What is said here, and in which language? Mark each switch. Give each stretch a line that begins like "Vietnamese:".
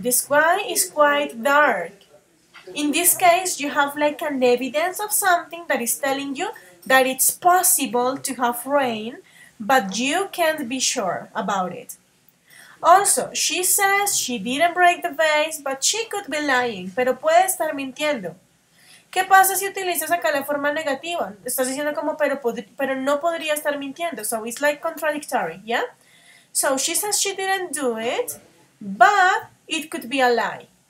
English: The sky is quite dark. In this case, you have like an evidence of something that is telling you that it's possible to have rain. But you can't be sure about it. Also, she says she didn't break the vase, but she could be lying.
Spanish: Pero puede estar mintiendo. ¿Qué pasa si utilizas acá la forma negativa? Estás diciendo como, pero no podría estar mintiendo.
English: So it's like contradictory, yeah? So she says she didn't do it, but it could be a lie.